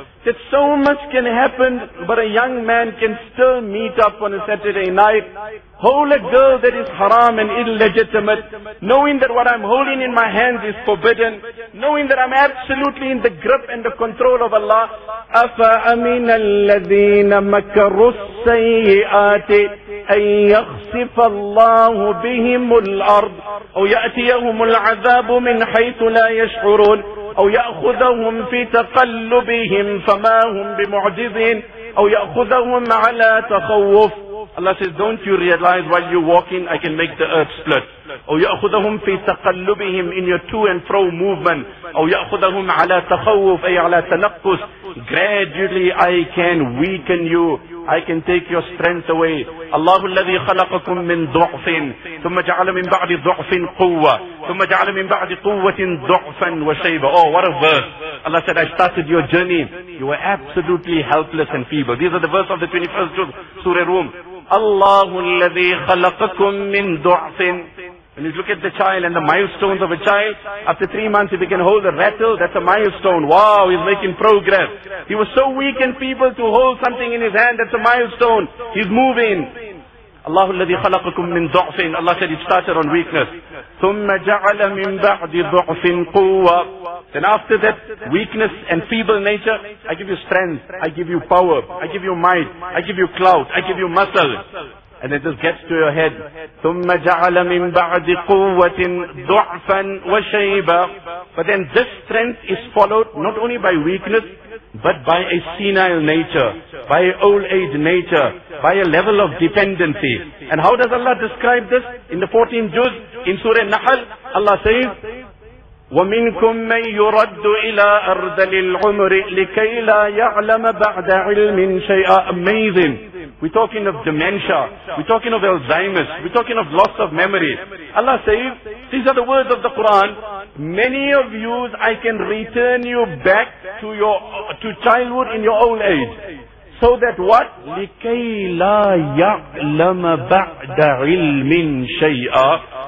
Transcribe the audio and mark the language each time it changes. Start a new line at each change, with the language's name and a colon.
English: That so much can happen, but a young man can still meet up on a Saturday night, hold a girl that is haram and illegitimate, knowing that what I'm holding in my hands is forbidden, knowing that I'm absolutely in the grip and the control of Allah.
Arabic: أَفَأَمِنَ الَّذِينَ مَكَرُوا السَّيِّئَاتِ أَن يَخْسِفَ اللَّهُ بِهِمُ الْأَرْضِ أَوْ يَأْتِيَهُمُ الْعَذَابُ مِنْ حَيْثُ لَا يَشْعُرُونَ أو يأخذهم في تقلبهم فما هم بمعجزين أو يأخذهم على تخوف.
English: Allah says, don't you realize while you're walking I can make the earth split.
Arabic: أو يأخذهم في تقلبهم
English: in your to and fro movement.
Arabic: أو يأخذهم على تخوف أي على تنقص.
English: Gradually I can weaken you. I can take your strength away.
Arabic: الله الذي خلقكم من ضعف ثم جعل من بعد ضعف قوة ثم جعل من بعد قوة ضعفا وشيبة.
English: Oh, what a verse. Allah said, I started your journey. You were absolutely helpless and feeble. These are the verse of the 21st Juz, Surah Rum.
Arabic: الله الذي خلقكم من ضعف.
English: When you look at the child and the milestones of a child, after 3 months if he can hold a rattle, that's a milestone. Wow, he's making progress. He was so weak and feeble to hold something in his hand, that's a milestone. He's moving.
Arabic: الله الذي خلقكم من ضعف.
English: Allah said, he started on weakness.
Arabic: ثم جعل من بعد ضعف قوة.
English: Then after that weakness and feeble nature, I give you strength, I give you power, I give you might, I give you clout, I give you muscle. And it just gets to your head.
Arabic: ثم جعل من بعد قوة ضعفا وشيبا.
English: But then this strength is followed not only by weakness, but by a senile nature, by old age nature, by a level of dependency. And how does Allah describe this? In the 14th Juz, in Surah Nahl, Allah says,
Arabic: وَمِنْكُمْ مَنْ يُرَدُّ إِلَىٰ أَرْضَلِ الْعُمْرِ لِكَيْ لَا يَعْلَمَ بَعْدَ عِلْمٍ شَيْئًا.
English: Amazing. We're talking of dementia. We're talking of Alzheimer's. We're talking of loss of memory. Allah says, these are the words of the Quran. Many of you, I can return you back to your to childhood in your old age. So that what?
Arabic: لِكَيْ لَا يَعْلَمَ بَعْدَ عِلْمٍ شَيْئًا.